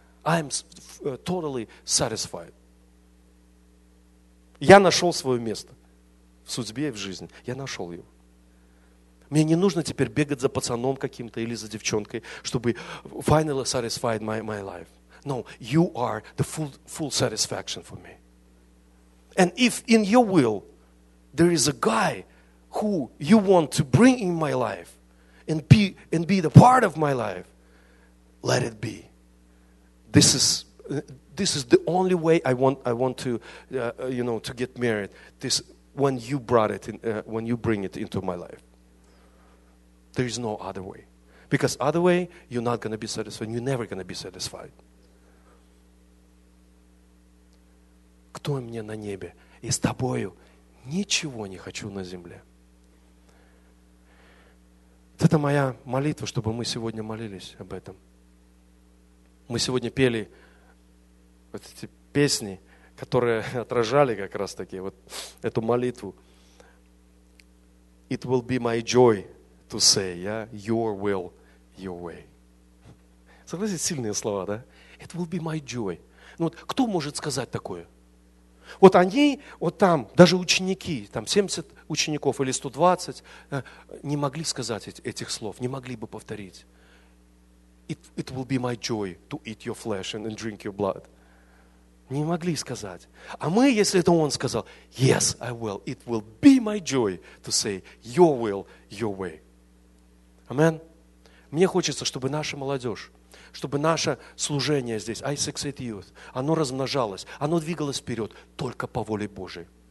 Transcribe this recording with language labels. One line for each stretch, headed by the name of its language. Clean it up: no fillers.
English: I'm totally satisfied.
Russian: Я нашел свое место в судьбе и в жизни. Я нашел его. Мне не нужно теперь бегать за пацаном каким-то или за девчонкой, чтобы finally satisfied my life.
English: No, you are the full satisfaction for me. And if in your will there is a guy who you want to bring in my life and be the part of my life, let it be. This is the only way I want to to get married. This when you brought it in, when you bring it into my life. There is no other way, because other way you're not gonna be satisfied. You're never gonna be satisfied.
Russian: Кто мне на небе, и с тобою ничего не хочу на земле. Вот это моя молитва, чтобы мы сегодня молились об этом. Мы сегодня пели вот эти песни, которые отражали как раз таки вот эту молитву.
English: It will be my joy to say, yeah, your will, your way.
Russian: Согласитесь, сильные слова, да?
English: It will be my joy.
Russian: Ну вот кто может сказать такое? Вот они, вот там, даже ученики, там 70 учеников или 120, не могли сказать этих слов, не могли бы повторить.
English: It will be my joy to eat your flesh and drink your blood.
Russian: Не могли сказать.
English: А мы, если это он сказал, yes, I will, it will be my joy to say your will, your way. Amen.
Russian: Мне хочется, чтобы наша молодежь, чтобы наше служение здесь, I6-8 Youth, оно размножалось, оно двигалось вперед только по воле Божией.